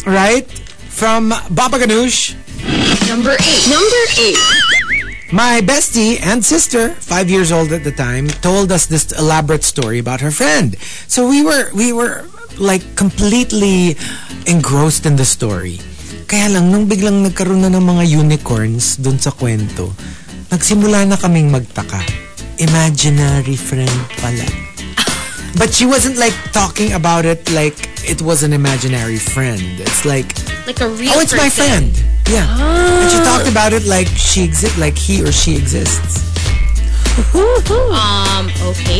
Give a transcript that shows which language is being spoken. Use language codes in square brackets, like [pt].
[en] Right? from Baba Ganoush. Number eight. My bestie and sister, 5 years old at the time, told us this elaborate story about her friend. So we were like completely engrossed in the story. [tl] Kaya lang, nung biglang nagkaroon na ng mga unicorns dun sa kwento, nagsimula na kaming magtaka. Imaginary friend pala. [en] But she wasn't like talking about it like it was an imaginary friend. It's like... like a real person. Oh, it's person. My friend. Yeah. Oh. And she talked about it like she exists, like he or she exists. Okay.